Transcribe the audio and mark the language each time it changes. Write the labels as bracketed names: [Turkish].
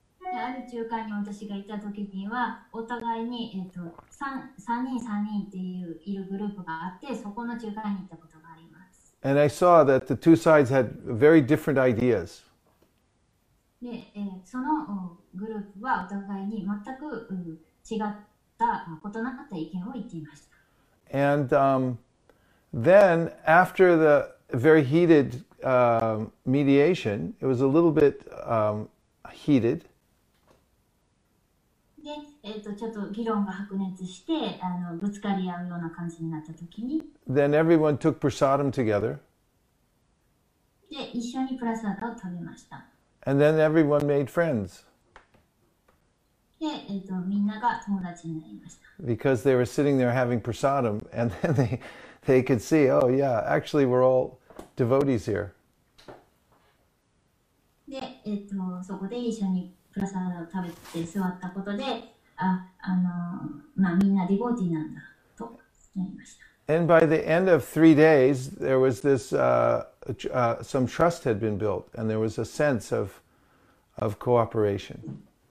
[Japanese] ある仲介に私がいた時には、お互いに3人っていういるグループがあって、そこの仲介に行ったことがあります。 [English] And I saw that the two sides had very different ideas. [Japanese] で、そのグループはお互いに全く違った、異なった意見を言っていました。 [English] And then after the very heated mediation, it was a little bit heated. [Japanese] で、ちょっと議論が白熱して、ぶつかり合うような感じになったときに。 [English] Then everyone took prasadam together. [Japanese] で、一緒にプラサダを食べました。 [English] And then everyone made friends. [Japanese] で、みんなが友達になりました。 [English] Because they were sitting there having prasadam, and then they could see, oh yeah, actually we're all devotees here. [Japanese] で、そこで一緒にプラサダを食べて座ったことで、みんなディボーティーなんだと [English] And by the end of 3 days, there was this, some trust had been built, and there was a sense of cooperation.